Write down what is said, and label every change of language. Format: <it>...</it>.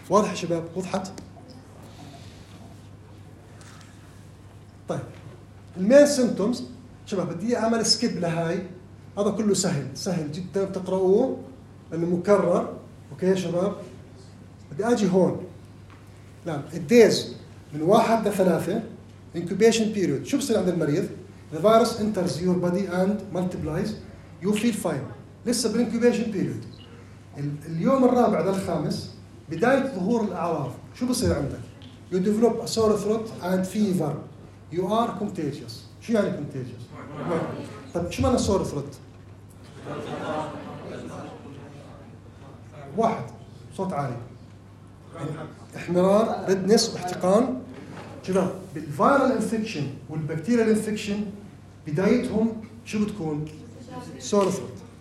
<ar>واضح يا شباب؟ وضحت؟ طيب المين سيمتومز شباب بدي أعمل سكيب لهاي. هذا كله سهل سهل جدا بتقرأوه لأنه مكرر. أوكي يا شباب بدي أجي هون نعم الديز من 1 لـ3 incubation period. شو بصير عند المريض؟</ar> <en>The virus enters your body and multiplies. You feel fine.</en> <ar>لسه بالincubation period. اليوم الرابع للخامس بداية ظهور الأعراض. شو بصير عندك؟</ar> <en>You develop a sore throat and fever. You are contagious.</en> <ar>شو يعني contagious؟ طب شو معنى sore throat؟ واحد صوت عالي. احمرار, redness, واحتقان. شباب بالفيرال انفكشن والبكتيريال انفكشن بدايتهم شو بتكون؟ سور ثروت.</ar>